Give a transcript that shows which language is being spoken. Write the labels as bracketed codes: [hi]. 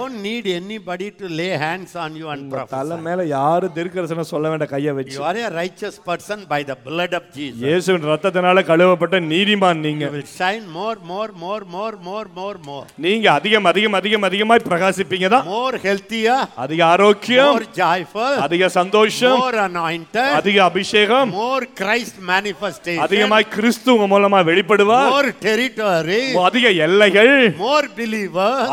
[en] You don't need anybody to lay hands on you and prophesy. [ta] தல மேல யாரு தீர்க்கதரிசனம் சொல்ல வேண்டிய கைய வச்சு. [en] You are a righteous person by the blood of Jesus. [ta] இயேசுவின் இரத்தத்தினால கழுவப்பட்ட நீதிமான் நீங்க. [en] You will shine more more more more more more more. [ta] நீங்க அதிகம் அதிகம் அதிகம் அதிகமாய் பிரகாசிப்பீங்க தான். [en] More healthier. [ta] அதிக ஆரோக்கியம். [en] More joyful. [ta] அதிக சந்தோஷம். [en] More anointed. [ta] அதிக அபிஷேகம். [en] More Christ manifestation. [ta] அதிகமாய் கிறிஸ்து உங்க மூலமா வெளிப்படுவார். [en] More territory. [ta] அதிக எல்லைகள். [en] More believers.